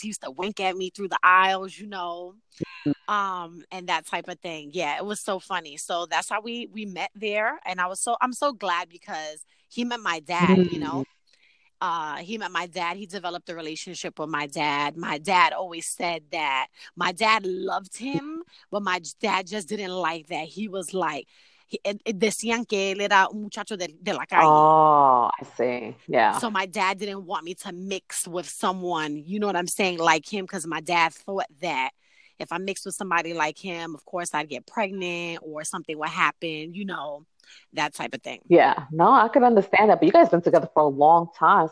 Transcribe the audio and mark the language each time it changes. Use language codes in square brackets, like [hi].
[en] He used to wink at me through the aisles, you know, and that type of thing. Yeah, it was so funny. So that's how we met there. And I'm so glad because he met my dad, you know. He met my dad. He developed a relationship with my dad. My dad always said that my dad loved him, but my dad just didn't like that. He was like, [es] decían que él era un muchacho de la calle. [en] Oh, I see. Yeah. So my dad didn't want me to mix with someone, you know what I'm saying, like him, because my dad thought that if I mixed with somebody like him, of course I'd get pregnant or something would happen, you know, that type of thing. Yeah. No, I can understand that. But you guys have been together for a long time.